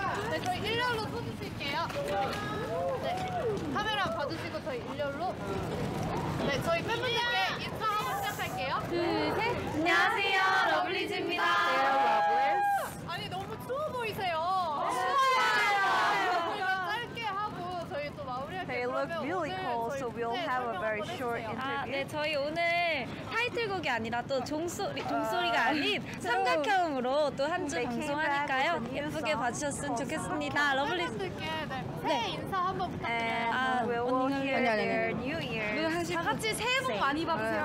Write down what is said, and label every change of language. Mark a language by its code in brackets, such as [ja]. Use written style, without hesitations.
[ko] 네, 저희 일렬로 써주실게요. 네, 카메라 봐주시고 저희 일렬로. 네, 저희 팬분들께 인사 한번 시작할게요. 둘, 셋. 안녕하세요, 러블리즈입니다. 안녕하세요, 러블리즈. 아니, 너무 추워 보이세요. 추워요. 저희 짧게 하고 저희 또 마무리할게요. [en] look really cold, so we'll have a very short interview. [ko] 네, 저희 오늘 타이틀곡이 아니라 또 종소리가 아닌 삼각형으로 또 한 주 방송하니까요. 예쁘게 봐주셨으면 좋겠습니다. 러블리 분들께 새해 인사 한번 부탁드려요. 오늘 다 같이 새해 복 많이 받으세요.